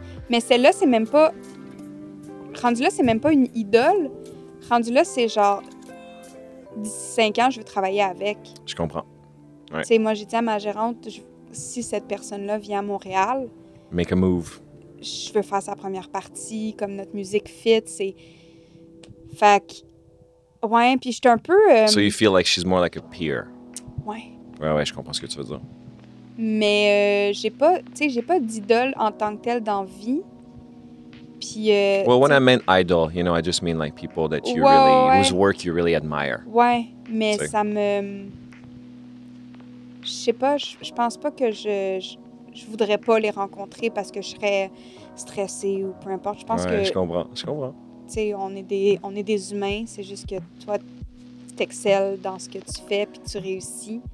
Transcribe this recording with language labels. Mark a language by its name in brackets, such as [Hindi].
[French] Mais celle-là, c'est même pas... Rendu là, c'est même pas une idole. Rendu là, c'est genre... 5 ans, je veux travailler avec. Je comprends. Ouais. Tu sais, moi, j'ai dit à ma gérante, si cette personne-là vient à Montréal... [English] Make a move. [French] Je veux faire sa première partie, comme notre musique fit, c'est... Fait que... Ouais, puis j'étais un peu... [English] So you feel like she's more like a peer. [French] Ouais. Ouais, ouais, je comprends ce que tu veux dire. Mais j'ai pas... Tu sais, j'ai pas d'idole en tant que telle dans vie. Puis, [English] well, when I meant idol, you know, I just mean like people that you whose work you really admire. [French] Ouais, mais so. Ça me... Je sais pas, je pense pas que je voudrais pas les rencontrer parce que je serais stressée ou peu importe. Je pense que... je comprends. Tu sais, on est des humains, c'est juste que toi, tu t'excelles dans ce que tu fais puis tu réussis.